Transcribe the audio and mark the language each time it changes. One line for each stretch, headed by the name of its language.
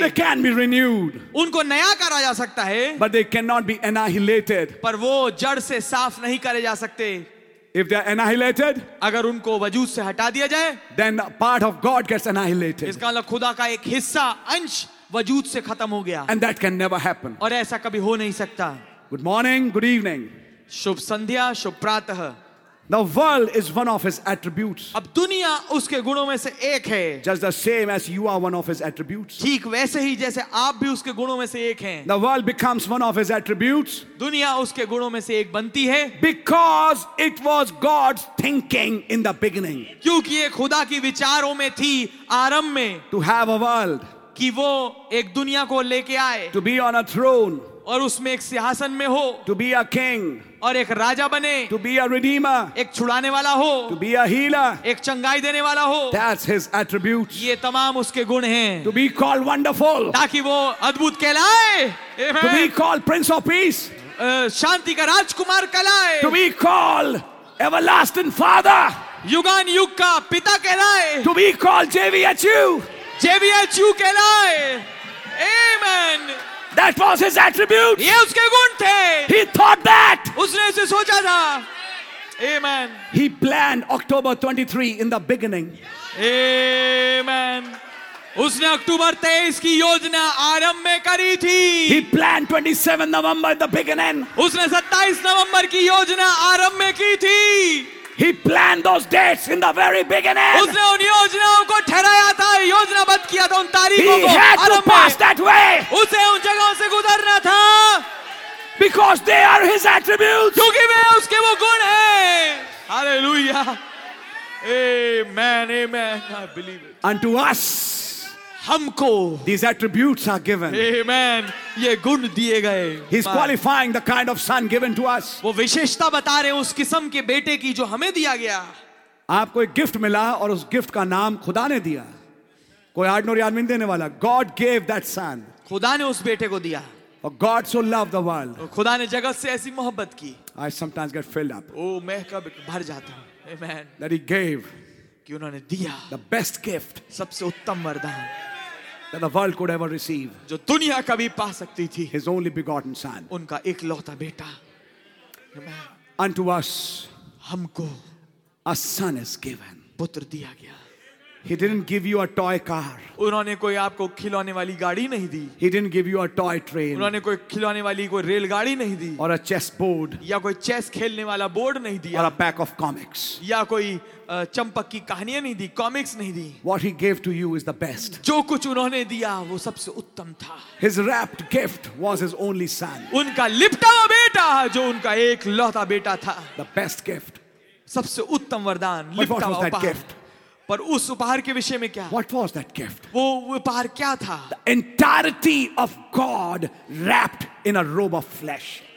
English: they can be renewed,
Hindi: उनको नया करा जा सकता है,
English: but they can not be annihilated,
Hindi: पर वो जड़ से साफ नहीं करे जा सकते,
English: if they are annihilated,
Hindi: अगर उनको वजूद से हटा दिया जाए,
English: then part of God gets annihilated,
Hindi: इसका मतलब खुदा का एक हिस्सा अंश वजूद से खत्म हो गया,
English: and that can never happen.
Hindi: और ऐसा कभी हो नहीं सकता।
English: Good morning, good evening.
Hindi: शुभ संध्या, शुभ प्रातः।
English: The world is one of his attributes.
Hindi: अब दुनिया उसके गुणों में से एक है।
English: Just the same as you are one of his attributes.
Hindi: ठीक वैसे ही जैसे आप भी उसके गुणों में से एक हैं।
English: The world becomes one of his attributes.
Hindi: दुनिया उसके गुणों में से एक बनती है।
English: Because it was God's thinking in the beginning.
Hindi: क्योंकि ये खुदा की विचारों में थी आरंभ में।
English: To have a world.
Hindi: कि वो एक दुनिया को लेके आए,
English: to be on a throne,
Hindi: और उसमें एक सिंहासन में हो,
English: to be a king,
Hindi: और एक राजा बने,
English: to be a redeemer,
Hindi: एक छुड़ाने वाला हो,
English: to be a healer,
Hindi: एक चंगाई देने वाला हो,
English: that's his attributes,
Hindi: ये तमाम उसके गुण हैं,
English: to be called wonderful,
Hindi: ताकि वो अद्भुत कहलाए,
English: to be called prince of peace,
Hindi: शांति का राजकुमार कहलाए,
English: to be called everlasting father,
Hindi: युगान युग का पिता कहलाए,
English: to be called JVHU,
Hindi: JVHU कहलाए, Amen.
English: That was his attribute.
Hindi: ये उसके गुण थे.
English: He thought that.
Hindi: उसने इसे सोचा था. Amen.
English: He planned October 23 in the beginning. Amen.
Hindi: उसने अक्टूबर 23 की योजना आरंभ में करी थी.
English: He planned 27 November in the beginning.
Hindi: उसने 27 नवंबर की योजना आरंभ में की थी.
English: He planned those dates in the very beginning.
Hindi: उसने उन योजनाओं को ठहराया था, योजनाबद्ध किया था उन तारीखों को.
English: He had to pass that way.
Hindi: उसे उन जगहों से गुजरना था.
English: Because they are his attributes.
Hindi: क्योंकि वे उसके वो गुण हैं.
English: Hallelujah. Amen. Amen. I believe it. Unto us,
Hindi: हमको,
English: these attributes are given.
Hindi: Amen. ये गुण दिए गए।
English: He's qualifying the kind of son given to us.
Hindi: वो विशेषता बता रहे हैं उस किस्म के बेटे की जो हमें दिया गया। आपको एक गिफ्ट मिला और उस गिफ्ट का नाम खुदा ने दिया। कोई आर्डिनरी आदमी देने वाला।
English: God gave that son.
Hindi: खुदा ने उस बेटे को दिया।
English: For God so loved the world.
Hindi: खुदा ने जगत से ऐसी मोहब्बत की।
English: I sometimes get filled up.
Hindi: ओ मैं कब भर जाता हूँ। Amen.
English: That he gave.
Hindi: कि उन्होंने दिया।
English: The best gift.
Hindi: सबसे उत्तम वरदान।
English: That the world could ever receive.
Hindi: जो दुनिया कभी पा सकती थी।
English: His only begotten son.
Hindi: उनका इकलौता बेटा।
English: Unto us,
Hindi: हमको,
English: a son is given.
Hindi: पुत्र दिया गया।
English: He didn't give you a toy car.
Hindi: उन्होंने कोई आपको खिलौने वाली गाड़ी नहीं दी।
English: He didn't give you a toy train.
Hindi: उन्होंने कोई खिलौने वाली कोई रेलगाड़ी नहीं दी।
English: Or a chess board.
Hindi: या कोई चेस खेलने वाला बोर्ड नहीं दिया।
English: Or a pack of comics.
Hindi: या कोई चंपक की कहानियां नहीं दी, कॉमिक्स नहीं दी।
English: What he gave to you is the best.
Hindi: जो कुछ उन्होंने दिया वो सबसे उत्तम था।
English: His wrapped gift was his only son.
Hindi: उनका लिपटा हुआ बेटा जो उनका एक लौता बेटा था।
English: The best gift.
Hindi: सबसे उत्तम वरदान लिपटा हुआ गिफ्ट। पर उस उपहार के विषय में क्या?
English: What was that gift?
Hindi: वो उपहार क्या था?
English: The entirety of God wrapped in a robe of flesh.